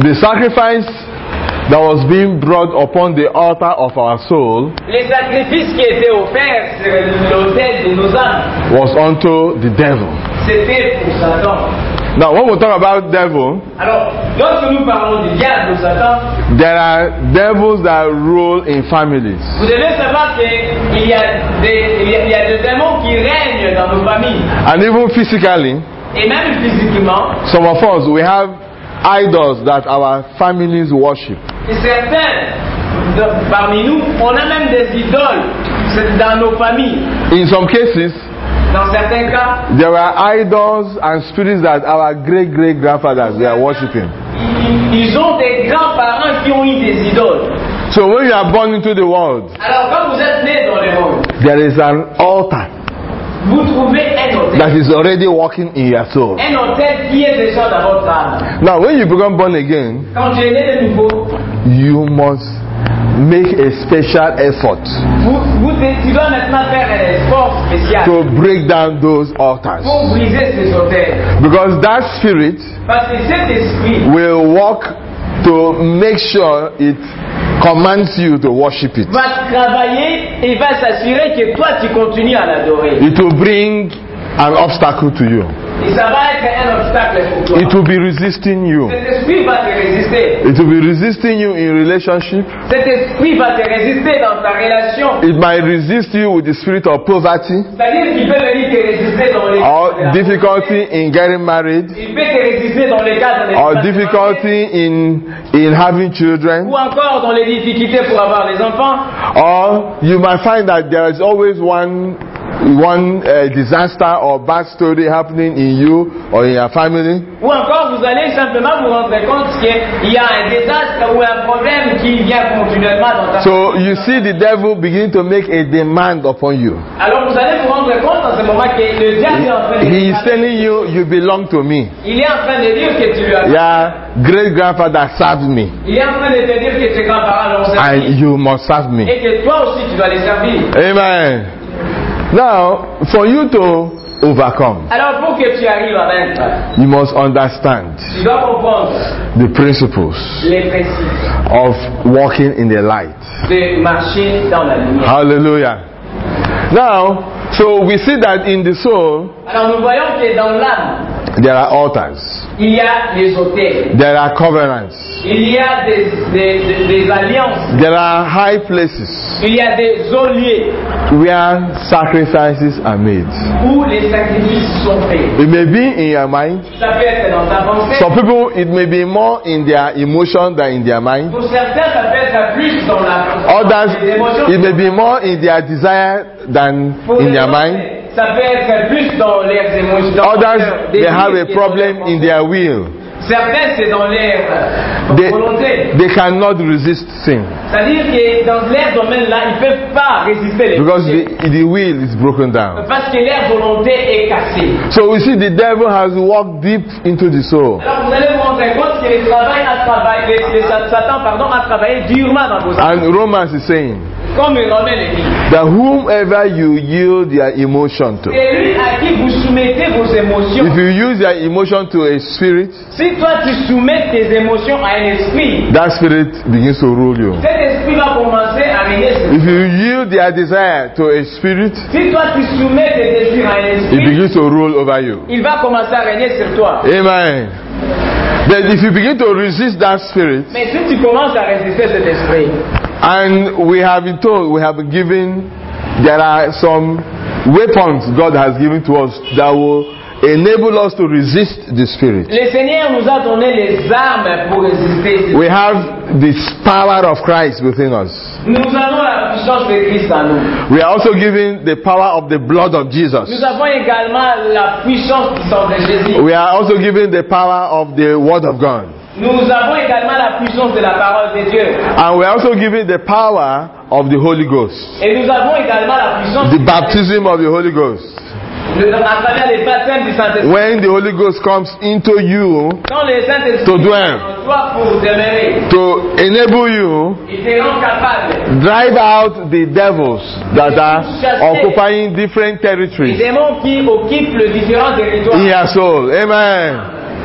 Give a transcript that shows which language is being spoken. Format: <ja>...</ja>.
<en>The sacrifice that was being brought upon the altar of our soul.</en> <fr>Le sacrifice qui était offert sur l'autel de nos âmes.</fr> <en>Was unto the devil.</en> <fr>C'était pour Satan.</fr> <en>Now, when we talk about devil,</en> <fr>alors, nous parlons du diable, Satan,</fr> <en>there are devils that rule in families.</en> <fr>Vous devez savoir qu'il y a des démons qui règnent dans nos familles.</fr> <en>And even physically,</en> <fr>et même physiquement,</fr> <en>some of us, we have idols that our families worship.</en> <fr>Certains de, parmi nous, on a même des idoles dans nos familles.</fr> <en>In some cases,</en> <fr>dans certains cas,</fr> <en>there were idols and spirits that our great-great grandfathers were worshiping.</en> <fr>Ils ont des grands-parents qui ont eu des idoles.</fr> <en>So when you are born into the world,</en> <fr>alors quand vous êtes né dans le monde,</fr> <en>there is an altar.</en> <fr>Vous trouvez un autel</fr> <en>that is already working in your soul.</en> <fr>Un autel qui est déjà dans votre âme.</fr> <en>Now when you become born again,</en> <fr>quand tu es né de nouveau,</fr> <en>you must make a special effort</en> <fr>tu dois maintenant faire un effort spécial</fr> <en>to break down those altars.</en> <fr>Pour briser ces autels.</fr> <en>Because that spirit,</en> <fr>parce que cet esprit,</fr> <en>will work to make sure it commands you to worship it.</en> <fr>Va travailler et va s'assurer que toi tu continues à l'adorer.</fr> <en>It will bring an obstacle to you.</en> <fr>Ça va être un obstacle pour toi.</fr> <en>It will be resisting you.</en> <fr>Cet esprit va te résister.</fr> <en>It will be resisting you in relationship.</en> <fr>Cet esprit va te résister dans ta relation.</fr> <en>It might resist you with the spirit of poverty.</en> <fr>C'est-à-dire qu'il peut venir te résister dans les</fr> <en>or difficulty in getting married.</en> <fr>Il peut te résister dans les cas dans les</fr> <en>or difficulty in having children.</en> <fr>Ou encore dans les difficultés pour avoir des enfants.</fr> <en>Or you might find that there is always one disaster or bad story happening in you or in your family.</en> <fr>Ou encore vous allez simplement vous rendre compte qu'il y a un désastre ou un problème qui vient continuellement dans ta</fr> <en>so</en> <fr>famille.</fr> <en>So you see the devil begin to make a demand upon you.</en> <fr>Alors vous allez vous rendre compte en ce moment que le diable est en train de</fr> <en>he is telling you belong to me.</en> <fr>Il est en train de dire que tu lui as</fr> <en>yeah, great grandfather served me.</en> <fr>Il est en train de te dire que tes grands-parents l'ont servi.</fr> <en>And you must serve me.</en> <fr>Et que toi aussi tu dois les servir.</fr> <en>Amen. Now, for you to overcome,</en> <fr>alors pour que tu arrives à vaincre,</fr> <en>you must understand</en> <fr>tu dois comprendre</fr> <en>the principles,</en> <fr>les principes</fr> <en>of walking in the light.</en> <fr>De marcher dans la lumière.</fr> <en>Hallelujah. Now, so we see that in the soul,</en> <fr>alors nous voyons que dans l'âme,</fr> <en>there are altars.</en> <fr>Il y a des autels.</fr> <en>There are covenants.</en> <fr>Il y a des alliances.</fr> <en>There are high places.</en> <fr>Il y a des hauts lieux.</fr> <en>Where sacrifices are made.</en> <fr>Où les sacrifices sont faits.</fr> <en>It may be in your mind.</en> <fr>Ça peut être dans ta pensée.</fr> <en>Some people, it may be more in their emotion than in their mind.</en> <fr>Pour certains, ça peut être plus dans la pensée.</fr> <en>Others, it may be more in their desire than</en> <fr>pour</fr> <en>in their mind.</en> <fr>Ça peut être plus dans leurs émotions.</fr> <en>Others, they have a problem in their will.</en> <fr>Certains, c'est dans leur volonté.</fr> <en>They cannot resist sin.</en> <fr>C'est-à-dire que dans leur domaine là, ils ne peuvent pas résister.</fr> <en>Because the will is broken down.</en> <fr>Parce que leur volonté est cassée.</fr> <en>So we see the devil has walked deep into the soul.</en> <fr>Alors vous allez vous rendre compte que Satan a travaillé durement dans vos âmes.</fr> <en>And Romans is saying,</en> <fr>comme Romain le dit,</fr> <en>that whomever you yield your emotion to,</en> <fr>c'est lui à qui vous soumettez vos émotions.</fr> <en>If you use your emotion to a spirit,</en> <fr>si toi tu soumets tes émotions à un esprit,</fr> <en>that spirit begins to rule you.</en> <fr>Cet esprit va commencer à régner sur</fr> <en>If you yield their desire to a spirit,</en> <fr>si toi tu soumets tes désirs à un esprit,</fr> <en>it begins to rule over you.</en> <fr>Il va commencer à régner sur toi.</fr> <en>Amen. But if you begin to resist that spirit,</en> <fr>mais si tu commences à résister cet esprit,</fr> <en>and we have been told, we have been given, there are some weapons God has given to us that will enable us to resist the spirit.</en> <fr>Le Seigneur nous a donné les armes pour résister.</fr> <en>We have this power of Christ within us.</en> <fr>Nous avons la puissance de Christ en nous.</fr> <en>We are also given the power of the blood of Jesus.</en> <fr>Nous avons également la puissance du sang de Jésus.</fr> <en>We are also given the power of the word of God.</en> <fr>Nous avons également la puissance de la parole de Dieu.</fr> <en>And we are also given the power of the Holy Ghost.</en> <fr>Et nous avons également la puissance,</fr> <en>the baptism of the Holy Ghost. When the Holy Ghost comes into you to dwell, to enable you, drive out the devils that are occupying different territories in your soul. Amen.</en>